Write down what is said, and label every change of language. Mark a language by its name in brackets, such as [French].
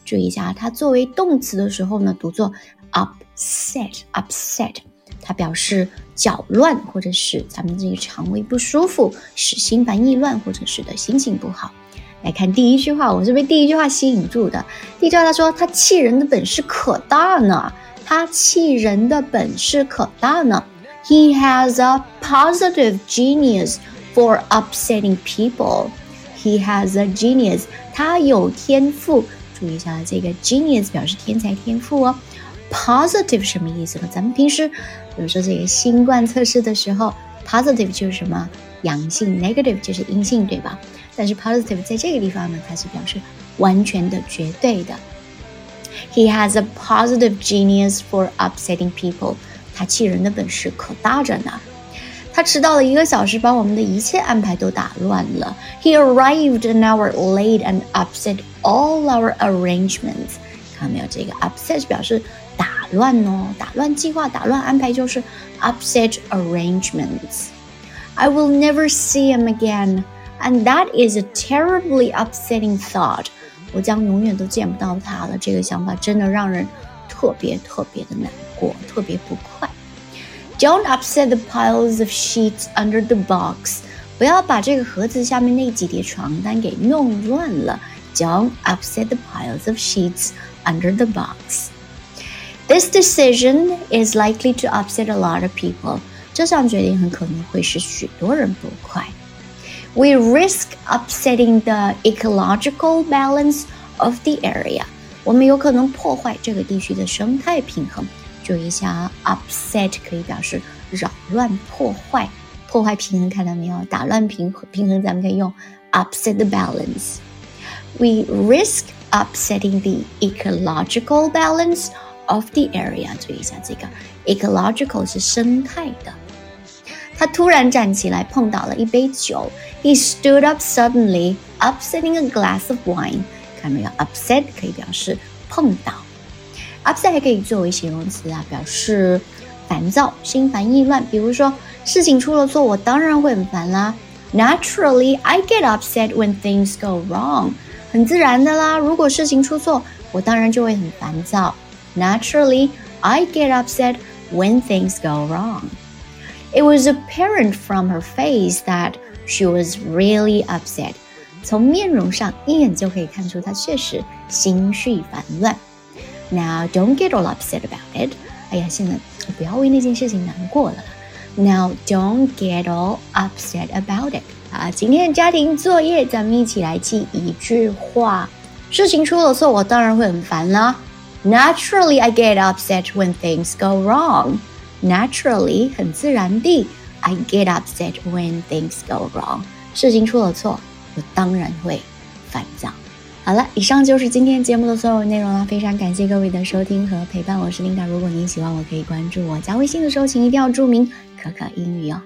[Chinese] 注意一下，它作为动词的时候呢，读作 upset. 它表示搅乱，或者是咱们这个肠胃不舒服，使心烦意乱，或者使得心情不好。来看第一句话，我是被第一句话吸引住的。第一句话他说，他气人的本事可大呢。 [English] He has a positive genius. For upsetting people, he has a genius. [Chinese] 他有天赋。注意一下，这个 genius 表示天才、天赋哦。Positive 什么意思呢？咱们平时，比如说这个新冠测试的时候 ，positive 就是什么阳性 ，negative 就是阴性，对吧？但是 positive 在这个地方呢，它是表示完全的、绝对的。 [English] He has a positive genius for upsetting people. [Chinese] 他气人的本事可大着呢。他迟到了一个小时，把我们的一切安排都打乱了。 [English] He arrived an hour late and upset all our arrangements. [Chinese] 看到没有，这个 upset 表示打乱哦，打乱计划，打乱安排，就是 [English] upset arrangements. I will never see him again, and that is a terribly upsetting thought. [Chinese] 我将永远都见不到他了，这个想法真的让人特别特别的难过，特别不快。 [English] Don't upset the piles of sheets under the box. [Chinese] 不要把这个盒子下面那几叠床单给弄乱了。 [English] Don't upset the piles of sheets under the box. This decision is likely to upset a lot of people. [Chinese] 这项决定很可能会使许多人不快。 [English] We risk upsetting the ecological balance of the area. [Chinese] 我们有可能破坏这个地区的生态平衡。注意一下 ，upset 可以表示扰乱、破坏、破坏平衡，看到没有？打乱平衡，咱们可以用 [English] upset the balance。 We risk upsetting the ecological balance of the area。 [Chinese] 注意一下这个 ecological 是生态的。他突然站起来，碰倒了一杯酒。 [English] He stood up suddenly, upsetting a glass of wine。 [Chinese] 看到没有 ？upset 可以表示碰倒。Upset 还可以作为形容词啊，表示烦躁、心烦意乱。比如说，事情出了错，我当然会很烦啦。 [English] Naturally, I get upset when things go wrong. [Chinese] 很自然的啦，如果事情出错，我当然就会很烦躁。 [English] Naturally, I get upset when things go wrong. It was apparent from her face that she was really upset. [Chinese] 从面容上一眼就可以看出她确实心绪烦乱。 [English] Now, don't get all upset about it. [Chinese] 哎呀，现在不要为那件事情难过了。 [English] Now, don't get all upset about it. [Chinese] 今天家庭作业，咱们一起来记一句话。事情出了错，我当然会很烦啦。 [English] Naturally, I get upset when things go wrong. Naturally, [Chinese] 很自然地 [English] I get upset when things go wrong. [Chinese] 事情出了错，我当然会烦躁。好了，以上就是今天节目的所有内容了。非常感谢各位的收听和陪伴，我是 Linda。如果您喜欢，我可以关注我。加微信的时候，请一定要注明“可可英语”哦。